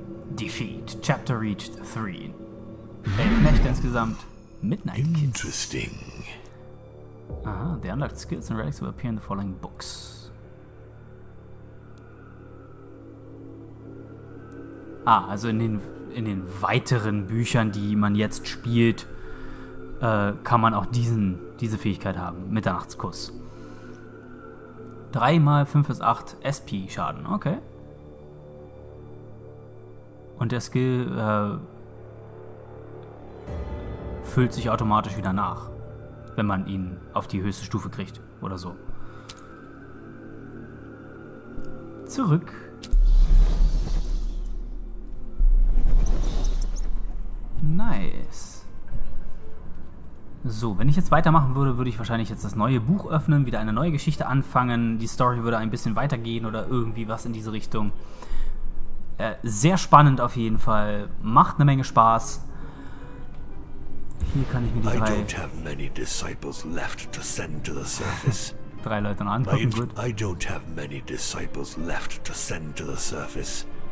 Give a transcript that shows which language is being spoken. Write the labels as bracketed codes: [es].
[en] Defeat. Chapter reached 3. [de] 11 Nächte insgesamt. [en] Midnight Kiss. Interesting. Aha, the unlocked skills and relics will appear in the following books. [de] Ah, also in den weiteren Büchern, die man jetzt spielt, kann man auch diese Fähigkeit haben. Mitternachtskuss. 3x 5 bis 8 SP Schaden. Okay. Und der Skill füllt sich automatisch wieder nach, wenn man ihn auf die höchste Stufe kriegt oder so. Zurück. Nice. So, wenn ich jetzt weitermachen würde, würde ich wahrscheinlich jetzt das neue Buch öffnen, wieder eine neue Geschichte anfangen, die Story würde ein bisschen weitergehen oder irgendwie was in diese Richtung. Sehr spannend auf jeden Fall, macht eine Menge Spaß. Hier kann ich mir die drei... [en] I don't have many disciples left to send to the surface. [de] Drei Leute noch angucken, gut. [en] I don't have many disciples left to send to the surface.